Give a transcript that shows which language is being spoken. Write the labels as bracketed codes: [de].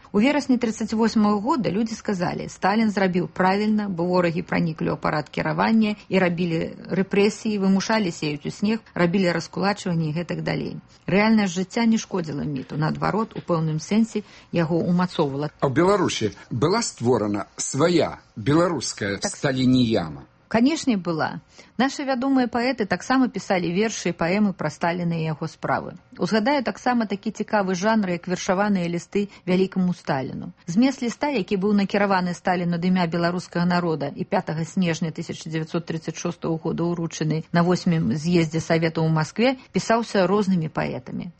[be] У верасні 38-го года людзі сказалі: «Сталін зрабіў правільна, бо ворагі праніклі ў апарат кіравання і рабілі рэпрэсіі, вымушалі сеяць у снег, рабілі раскулачванні і гэтак далей». Рэальнае жыцця не шкодзіла міту, наадварот, у пэўным сэнсе яго ўмацоўвала было. [ru] А в Беларуси была створена своя белорусская сталиньяма? Конечно, была. [be] Наши вядомыя паэты таксама пісалі вершы і паэмы пра Сталіна і яго справы. Узгадаю таксама такі цікавы жанр, як вершаваныя лісты вялікаму Сталіну. Змест ліста, які быў накіраваны Сталіну ад імя беларускага народа і 5 снежня 1936 года ўручаны на 8-м з'ездзе Савета ў Маскве, пісаўся рознымі паэтамі.